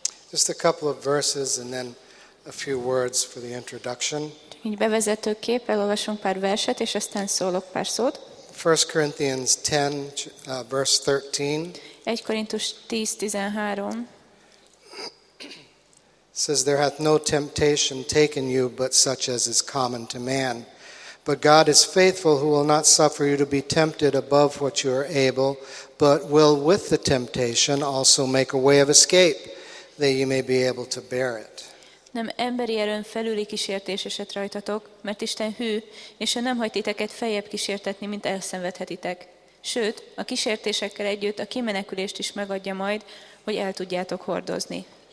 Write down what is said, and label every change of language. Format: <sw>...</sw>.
<en>Just a couple of verses and then a few words for the introduction.</en> <hu>Így bevezetőképp elolvasom pár verset, és aztán szólok pár szót.</hu> <en>1 Corinthians 10, verse 13.</en> <hu>1 Korintus 10:13.</hu> <en>Says, there hath no temptation taken you but such as is common to man. But God is faithful, who will not suffer you to be tempted above what you are able, but will with the temptation also make a way of escape, that you may be able to bear it.</en> <hu>Nem emberi erőn felüli kísértés esett rajtatok, mert Isten hű, és ő nem hagy titeket feljebb kísértetni, mint elszenvedhetitek. Sőt, a kísértésekkel együtt a kimenekülést is megadja majd, hogy el tudjátok hordozni.</hu>